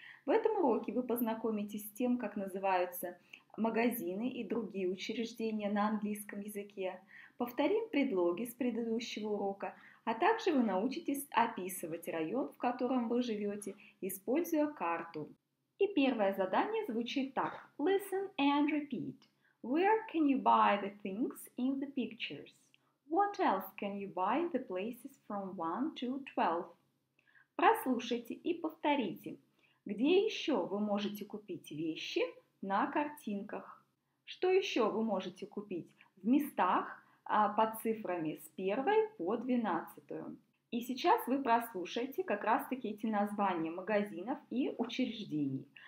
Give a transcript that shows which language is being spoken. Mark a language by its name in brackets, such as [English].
[Russian] В этом уроке вы познакомитесь с тем, как называются магазины и другие учреждения на английском языке. Повторим предлоги с предыдущего урока, а также вы научитесь описывать район, в котором вы живете, используя карту. И первое задание звучит так. [English] Listen and repeat. Where can you buy the things in the pictures? What else can you buy in the places from 1 to 12? [Russian] Прослушайте и повторите. Где еще вы можете купить вещи на картинках? Что еще вы можете купить в местах по цифрам с 1 по 12? И сейчас вы прослушаете как раз-таки эти названия магазинов и учреждений.